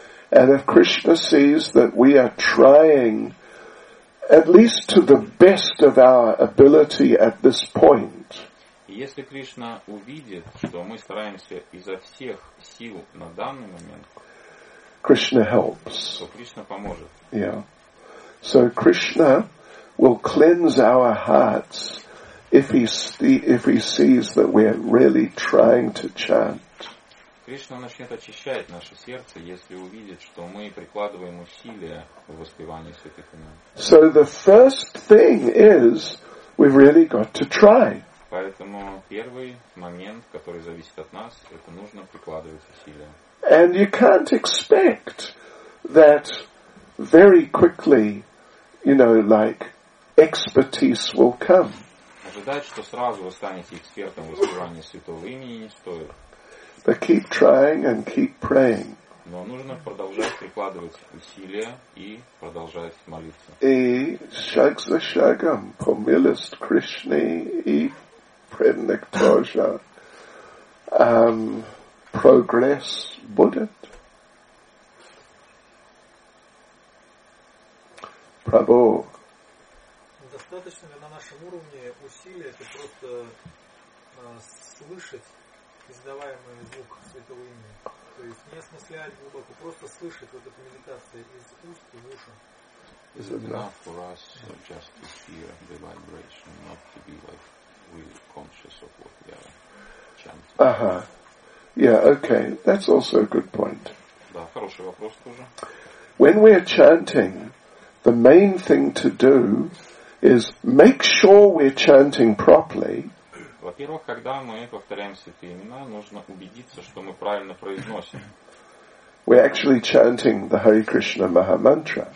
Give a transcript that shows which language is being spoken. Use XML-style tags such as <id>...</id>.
<en>And if Krishna sees that we are trying at least to the best of our ability at this point.</en> <ru>Если Кришна увидит, что мы стараемся изо всех сил на данный момент,</ru> <en>Krishna helps. So</en> <ru>Krishna поможет.</ru> <en>Yeah. So Krishna will cleanse our hearts if he sees that we're really trying to chant.</en> <ru>Кришна начнет очищать наше сердце, если увидит, что мы прикладываем усилия в воспевании святых имен.</ru> <en>So the first thing is we've really got to try.</en> <ru>Поэтому первый момент, который зависит от нас, это нужно прикладывать усилия.</ru> <en>And you can't expect that very quickly, you know, like expertise will come.</en> <ru>Ожидать, что сразу вы станете экспертом в воспевании святого имени, не стоит.</ru> <en>But keep trying and keep praying.</en> <ru>Но нужно продолжать прикладывать усилия и продолжать молиться. И шаг за шагом, по милости Кришны и преданных тоже, прогресс будет. Прабу. Достаточно ли на нашем уровне усилия это просто слышать издаваемый звук святого имени? То есть не осмыслять глубоко, просто слышать вот эту медитацию из уст и в уши.</ru> <en>Is it enough for us just to hear the vibration, not to be like really conscious of what we are chanting? Yeah, okay. That's also a good point.</en> <ru>Да, хороший вопрос тоже.</ru> <en>When we're chanting, the main thing to do is make sure we're chanting properly.</en> <ru>Во-первых, когда мы повторяем святые имена, нужно убедиться, что мы правильно произносим. We're actually chanting the Hare Krishna Maha Mantra.</ru>